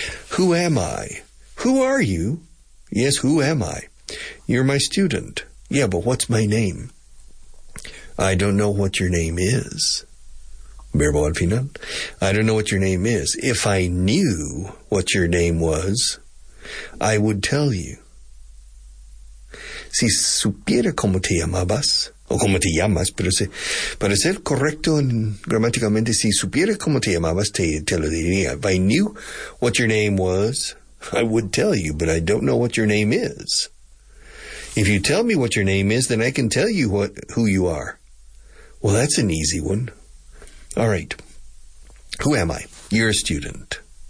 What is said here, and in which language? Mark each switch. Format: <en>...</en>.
<en>Who am I? Who are you? Yes, who am I? You're my student. Yeah, but what's my name? I don't know what your name is.</en> <es>Verbo al final.</es> <en>I don't know what your name is. If I knew what your name was, I would tell you.</en> <es>Si supiera cómo te llamabas, o cómo te llamas, pero si, para ser correcto gramaticalmente, si supiera cómo te llamabas, te lo diría.</es> <en>If I knew what your name was, I would tell you, but I don't know what your name is. If you tell me what your name is, then I can tell you who you are. Well, that's an easy one. All right. Who am I? You're a student.</en>